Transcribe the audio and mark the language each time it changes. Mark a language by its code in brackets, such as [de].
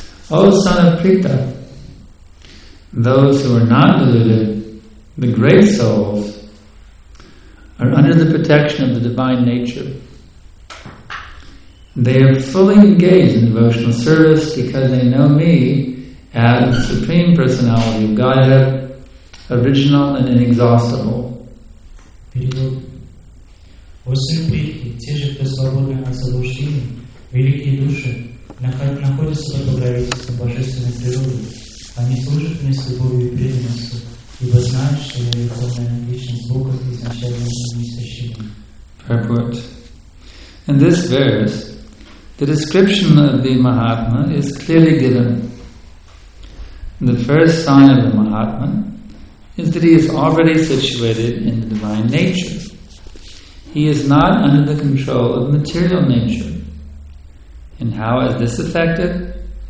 [en] O son of Prita, those who are not deluded, the great souls, are under the protection of the divine nature. They are fully engaged in devotional service because they know me as the Supreme Personality of Godhead, original and inexhaustible. [ru] О сын Прихи, те же, кто свободны от заблуждений, великие души, находятся под покровительством божественной природы. Они служат мне с любовью и преданностью, ибо знают, что я верховная личность Бога изначально и неистощима. [en] Purport. In this verse, the description of the Mahatma is clearly given. The first sign of the Mahatma is that he is already situated in the divine nature. He is not under the control of material nature. And how is this affected?